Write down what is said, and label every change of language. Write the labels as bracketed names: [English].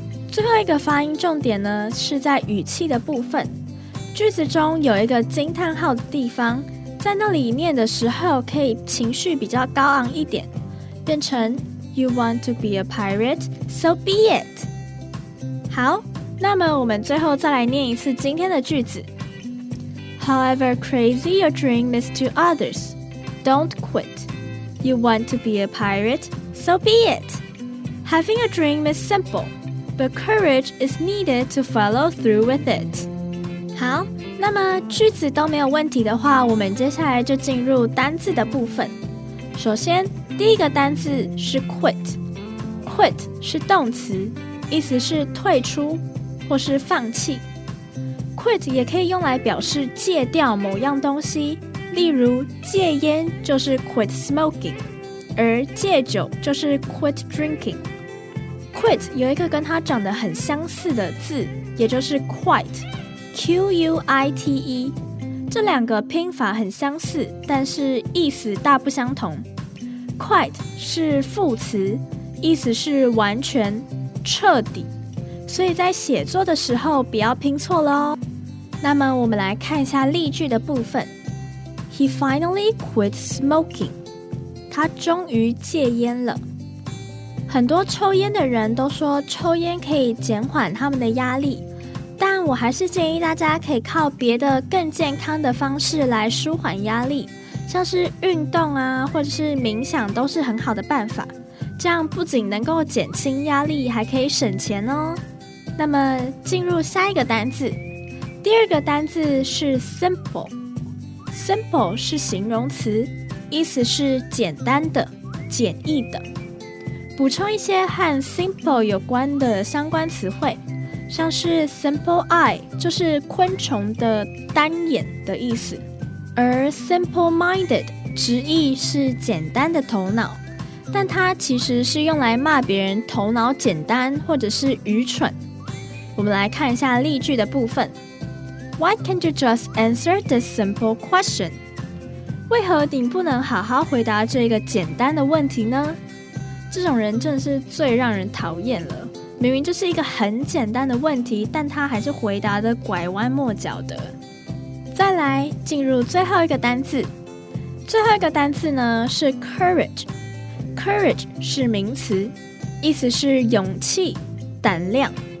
[Chinese] 最后一个发音重点呢是在语气的部分，句子中有一个惊叹号的地方，在那里念的时候可以情绪比较高昂一点，变成 [English] You want to be a pirate? So be it! [Chinese] 好，那么我们最后再来念一次今天的句子。 [English] However crazy your dream is to others, don't quit. You want to be a pirate? So be it! Having a dream is simple, but courage is needed to follow through with it. [Chinese] 好，那么句子都没有问题的话，我们接下来就进入单字的部分。首先第一个单字是 quit， quit 是动词，意思是退出或是放弃。 quit 也可以用来表示戒掉某样东西，例如戒烟就是 quit smoking， 而戒酒就是 quit drinking。 quit 有一个跟它长得很相似的字，也就是 quite， Q-U-I-T-E， 这两个拼法很相似，但是意思大不相同。 Quite 是副词，意思是完全、彻底，所以在写作的时候不要拼错了哦。那么我们来看一下例句的部分。 [English] He finally quit smoking. [Chinese] 他终于戒烟了。很多抽烟的人都说抽烟可以减缓他们的压力，但我还是建议大家可以靠别的更健康的方式来舒缓压力，像是运动啊，或者是冥想都是很好的办法，这样不仅能够减轻压力，还可以省钱哦。那么进入下一个单字，第二个单字是 simple， simple 是形容词，意思是简单的、简易的。补充一些和 simple 有关的相关词汇，像是 simple eye 就是昆虫的单眼的意思，而 simple-minded 直译是简单的头脑，但它其实是用来骂别人头脑简单或者是愚蠢。我们来看一下例句的部分。 [English] Why can't you just answer this simple question? [Chinese] 为何你不能好好回答这个简单的问题呢？这种人真的是最让人讨厌了，明明就是一个很简单的问题，但他还是回答得拐弯抹角的。再来进入最后一个单字，最后一个单字呢是 courage， courage 是名词，意思是勇气、胆量。